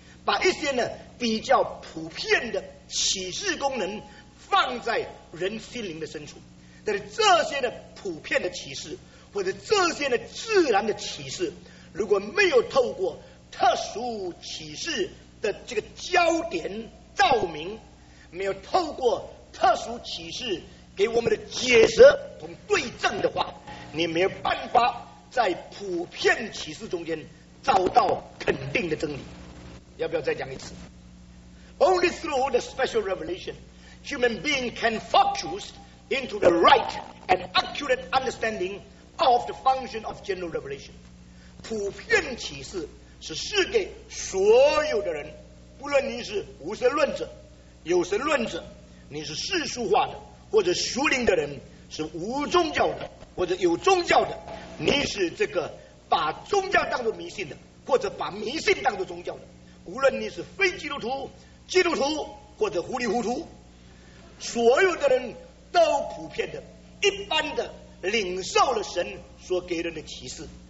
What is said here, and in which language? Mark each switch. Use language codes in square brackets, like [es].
[zh] 把一些呢比较普遍的启示功能放在人心灵的深处，但是这些的普遍的启示或者这些的自然的启示，如果没有透过特殊启示的这个焦点照明，没有透过特殊启示给我们的解释同对证的话，你没有办法在普遍启示中间找到肯定的真理。要不要再讲一次？ [en] Only through the special revelation human being can focus into the right and accurate understanding of the function of general revelation。 [zh] 普遍启示是赐给所有的人，不论你是无神论者有神论者，你是世俗化的或者属灵的人，是无宗教的或者有宗教的，你是这个把宗教当作迷信的或者把迷信当作宗教的，无论你是非基督徒基督徒或者糊里糊涂，所有的人都普遍的一般的领受了神所给人的启示。